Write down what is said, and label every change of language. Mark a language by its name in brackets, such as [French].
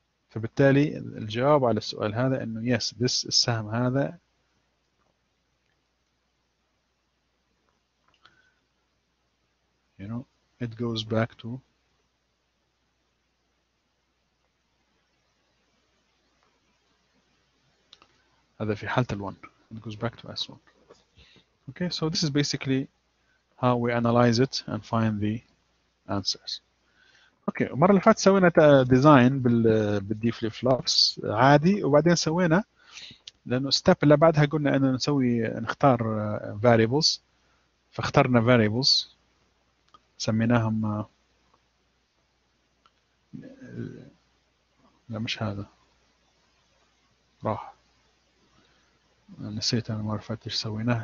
[Arabic] فبالتالي الجواب على السؤال هذا إنه yes، this السهم هذا [English] it goes back to [Arabic] هذا في حالة الون. [English] It goes back to S1. Okay, so this is basically how we analyze it and find the answers. [Arabic] Okay, مرة اللي فات سوينا design بالدي فليب فلوبس عادي، وبعدين سوينا لأنه step اللي بعدها قلنا أنه نسوي نختار variables، فاخترنا variables سميناهم لا مش هذا راح نسيت، انا ما عرفت ايش سويناه.